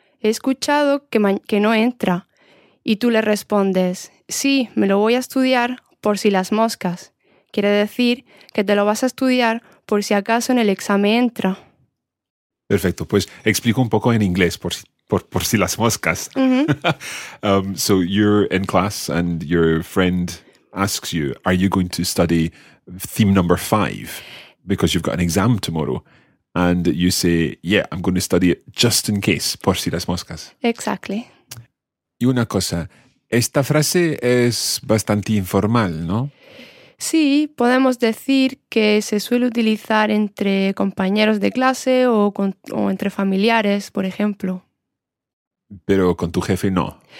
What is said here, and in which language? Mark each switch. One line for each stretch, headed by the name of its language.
Spanish: He escuchado que no entra. Y tú le respondes, sí, me lo voy a estudiar por si las moscas. Quiere decir que te lo vas a estudiar por si acaso en el examen entra. Perfecto, pues explico un poco en inglés por si las moscas. Mm-hmm.
English: So you're in class and your friend asks you, are you going to study theme number 5? Because you've got an exam tomorrow. And you say, yeah, I'm going to study it just in case,
Spanish: por si las moscas.
English: Exactly.
Spanish: Y una cosa, esta frase es bastante informal, ¿no? Sí, podemos decir que se suele utilizar entre compañeros de clase o entre familiares, por ejemplo. Pero con tu jefe no.